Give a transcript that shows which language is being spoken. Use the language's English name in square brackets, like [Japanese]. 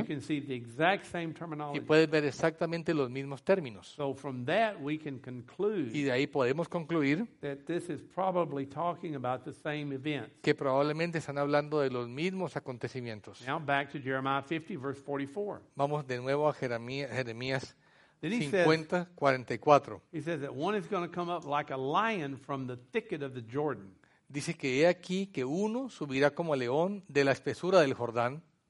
[English] and you can see the exact same terminology. [Spanish] Y puedes ver exactamente los mismos términos. [English] So from that we can conclude, [Spanish] y de ahí podemos concluir, [English] that this is probably talking about the same events, [Spanish] que probablemente están hablando de los mismos acontecimientos. [English] Now back to Jeremiah 50, verse 44. [Spanish] Vamos de nuevo a Jeremías 50:44. [English] He says that one is going to come up like a lion from the thicket of the Jordan. [Spanish] Dice que he aquí que uno subirá como león de la espesura del Jordán.